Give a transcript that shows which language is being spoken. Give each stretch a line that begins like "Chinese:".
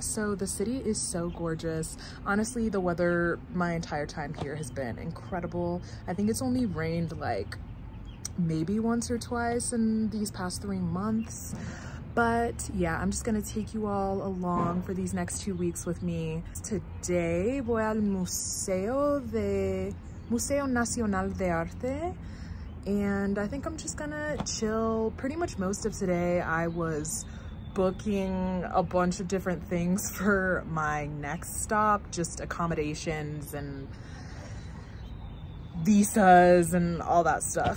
English: So the city is so gorgeous. Honestly, the weather my entire time here has been incredible. I think it's only rained like maybe once or twice in these past 3 months. But yeah, I'm just gonna take you all along for these next 2 weeks with me.
Spanish: Today, voy al Museo Nacional de Arte.
English: And I think I'm just gonna chill. Pretty much most of today, I was booking a bunch of different things for my next stop, just accommodations and visas and all that stuff.